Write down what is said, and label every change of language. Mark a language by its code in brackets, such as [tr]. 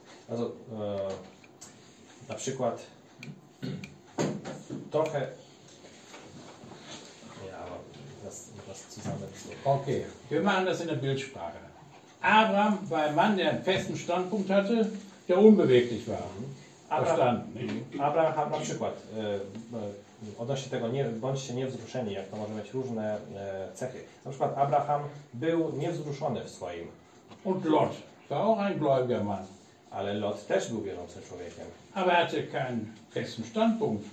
[pl] Also, na przykład trochę. [de] Ja, was zusammen. Okay, wir machen das in der Bildsprache. Abraham war ein Mann, der einen festen Standpunkt hatte, der unbeweglich war. [pl] Abraham na przykład. Odnośnie tego, bądźcie niewzruszeni, jak to może mieć różne cechy. Na przykład Abraham był niewzruszony w swoim. [de] Und Lot war auch ein gläubiger Mann. [pl] Ale Lot też był wierzącym człowiekiem. [de] Aber hatte keinen festen Standpunkt.